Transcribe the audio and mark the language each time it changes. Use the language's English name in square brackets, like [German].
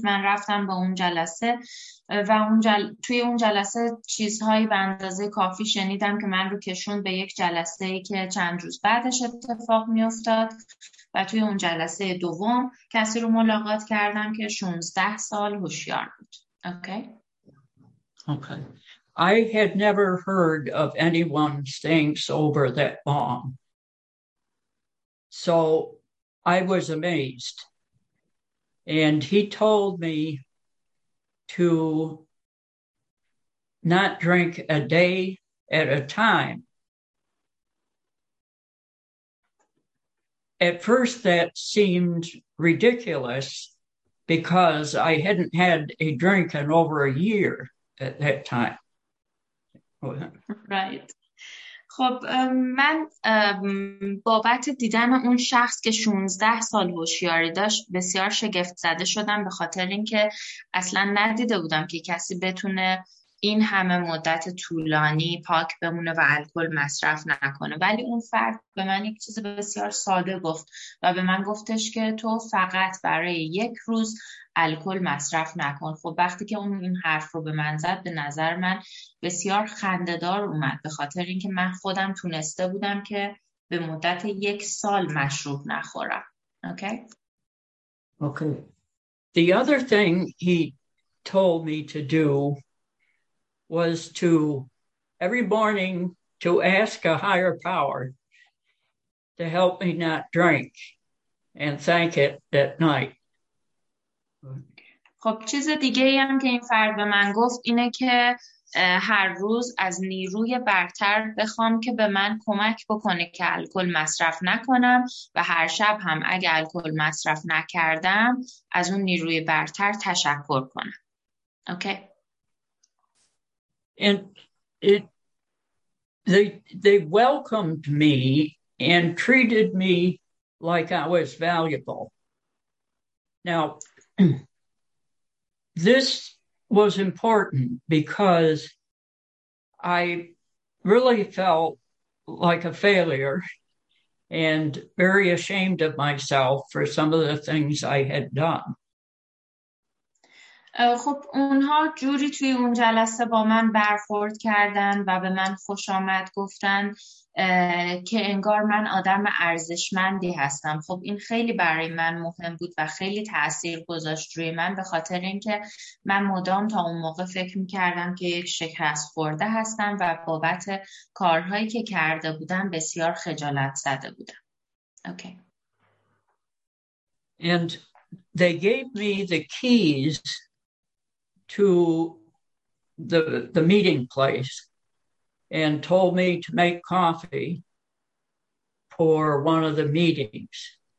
[Persian] من رفتم به اون جلسه و توی اون جلسه چیزهایی به اندازه کافی شنیدم که من رو کشون به یک جلسه‌ای که چند روز بعدش اتفاق می‌افتاد و توی اون جلسه دوم کسی رو ملاقات کردم که 16 سال هوشیار بود. [English] Okay. I had never heard of anyone staying sober that long. So I was amazed. And he told me to not drink a day at a time. At first, that seemed ridiculous because I hadn't had a drink in over a year at that time. Right. [Persian] خب من بابت دیدن اون شخص که 16 سال هوشیاری داشت بسیار شگفت زده شدم، به خاطر اینکه اصلا ندیده بودم که کسی بتونه این همه مدت طولانی پاک بمونه و الکل مصرف نکنه. ولی اون فرد به من یک چیز بسیار ساده گفت و به من گفتش که تو فقط برای یک روز الکل مصرف نکن. خب وقتی که اون این حرف رو به من زد، به نظر من بسیار خنددار اومد، به خاطر اینکه من خودم تونسته بودم که به مدت یک سال مشروب نخورم. [English] Okay. The other thing he told me to do was to every morning to ask a higher power to help me not drink and thank it at night. [Persian] خب چیز دیگه‌ای هم که این فرد به من گفت اینه که هر روز از نیروی برتر بخوام که به من کمک بکنه که الکل مصرف نکنم و هر شب هم اگه الکل مصرف نکردم از اون نیروی برتر تشکر کنم. [English] Okay. And it they welcomed me and treated me like I was valuable. Now, this was important because I really felt like a failure and very ashamed of myself for some of the things I had done. [Persian] خب اونها جوری توی اون جلسه با من برخورد کردن و به من خوش آمد گفتن که انگار من آدم ارزشمندی هستم. خب این خیلی برای من مهم بود و خیلی تأثیر گذاشت روی من، به خاطر اینکه من مدام تا اون موقع فکر میکردم که یک شکست خورده هستم و بابت کارهایی که کرده بودم بسیار خجالت زده بودم. [English] Okay. And they gave me the keys to the meeting place and told me to make coffee for one of the meetings.